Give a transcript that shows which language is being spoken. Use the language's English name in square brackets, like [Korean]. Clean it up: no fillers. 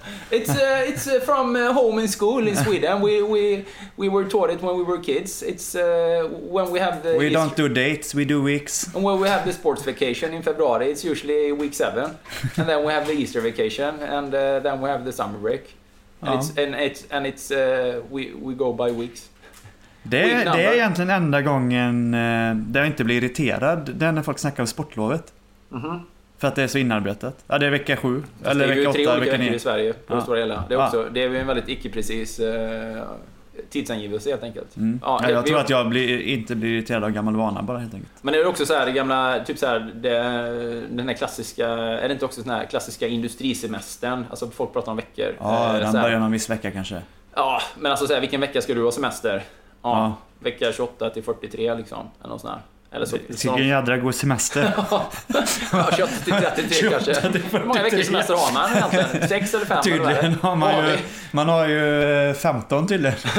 [English] It's from home in school in Sweden. We were taught it when we were kids. It's when we have the We don't do dates, we do weeks. And when we have the sports vacation in February, it's usually week 7. And then we have the Easter vacation, and then we have the summer break. And it's we go by weeks. [Swedish] Det är egentligen enda gången där jag inte blir irriterad. Det är när folk snackar om sportlovet. Mm-hmm. För att det är så inarbetat. Ja, det är vecka 7. Fast eller vecka 8. Det är ju tre olika veckor i Sverige. På det, stora hela. Det är också, det är en väldigt icke-precis tidsangivelse helt enkelt. Mm. Ja, det, jag tror att jag inte blir irriterad av gammal vana bara helt enkelt. Men är det också så här gamla typ så här den här klassiska, är det inte också sån här klassiska industrisemestern, alltså folk pratar om veckor. Ja, den börjar någon viss vecka kanske. Ja, men alltså så här, vilken vecka ska du ha semester? Ja, vecka 28 till 43 liksom eller någon sån här. Eller så tycker en jädra god semester. Ja, 28-33 kanske. Hur många veckor semester har man egentligen? 6 eller 5? Tydligen har man ju, man har ju 15 tydligen.